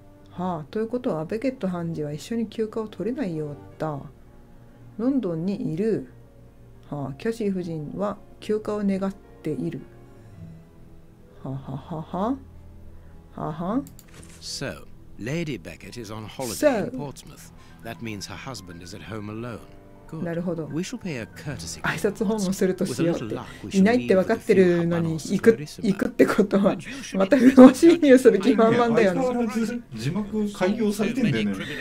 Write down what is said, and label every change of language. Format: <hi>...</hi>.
<ja>はあ、ということはベケット判事は一緒に休暇を取れないようだ。ロンドンにいる。はあ、キャシー夫人は休暇を願っている。はあ、はあ、はあ、はあ、はあ、はあ。</ja> <en>So. Lady Beckett is on holiday in Portsmouth. That means her husband is at home alone. Good.</en> <ja>なるほど。</ja> <en>We shall pay a courtesy call.</en> <ja>挨拶訪問するとしようって。いないって分かってるのに行くってことは、また不法侵入する気満々だよね。相変わらず字幕開業されてんだよね。</ja>